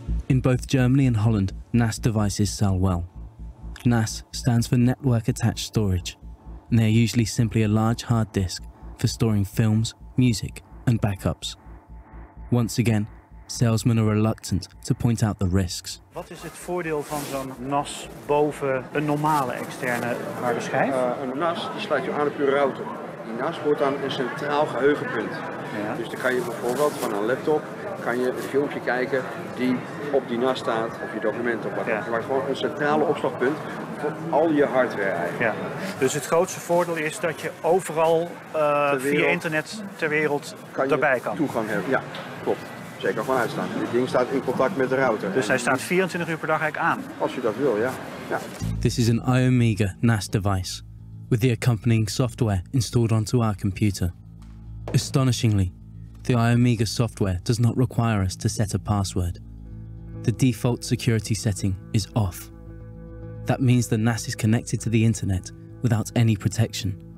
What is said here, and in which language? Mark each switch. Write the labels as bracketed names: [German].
[English] In both Germany and Holland, NAS devices sell well. NAS stands for Network Attached Storage. And they are usually simply a large hard disk for storing films, music, and backups. Once again, salesmen are reluctant to point out the risks. What is [Dutch] het voordeel van zo'n NAS boven een normale externe harde schijf? Een NAS die sluit je aan op je router. Die NAS wordt dan een centraal geheugenpunt. Ja. Dus dan kan je bijvoorbeeld van een laptop kan je een filmpje kijken die op die NAS staat of je document op. Ja. Maar gewoon een centrale opslagpunt. Al je hardware eigenlijk. Ja. Dus het grootste voordeel is dat je overal via internet ter wereld kan erbij kan. Toegang hebben. Ja, klopt. Zeker van uitstaan. Dit ding staat in contact met de router. Dus hij staat 24 uur per dag eigenlijk aan? Als je dat wil, ja. Ja. [English] This is an iOmega NAS device, with the accompanying software installed onto our computer. Astonishingly, the iOmega software does not require us to set a password. The default security setting is off. That means the NAS is connected to the internet without any protection.